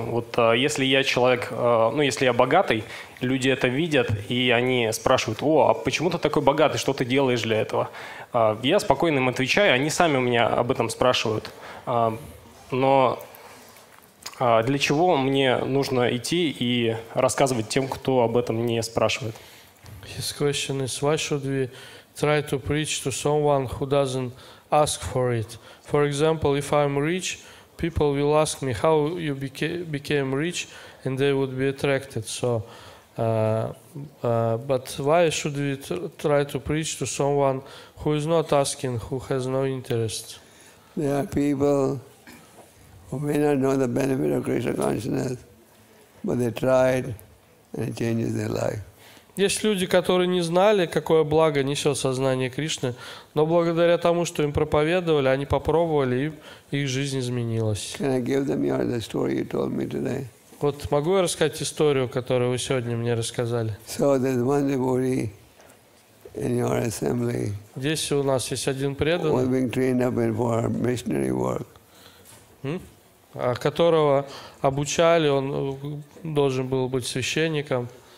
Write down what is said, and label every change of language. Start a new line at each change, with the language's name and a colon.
Russian: Вот если я человек, ну если я богатый, люди это видят, и они спрашивают: «О, а почему ты такой богатый? Что ты делаешь для этого?» Я спокойно им отвечаю, они сами у меня об этом спрашивают. Но для чего мне нужно идти и рассказывать тем, кто об этом не спрашивает?
English: His question is, why should we try to preach to someone who doesn't ask for it? For example, if I'm rich, people will ask me how you became rich, and they would be attracted. So, but why should we try to preach to someone who is not asking, who has no interest? There are people who may not know the benefit of Krishna consciousness, but they tried, and it changes their life.
Russian: Есть люди, которые не знали, какое благо несет сознание Кришны, но благодаря тому, что им проповедовали, они попробовали, и их жизнь изменилась.
English: Can I give them the story you told me today?
Russian: Вот могу я рассказать историю, которую вы сегодня мне рассказали?
English: So there's one devotee in your assembly.
Russian: Здесь у нас есть один преданный.
English: Who's being trained up for missionary work.
Russian: Которого обучали, он должен был быть священником.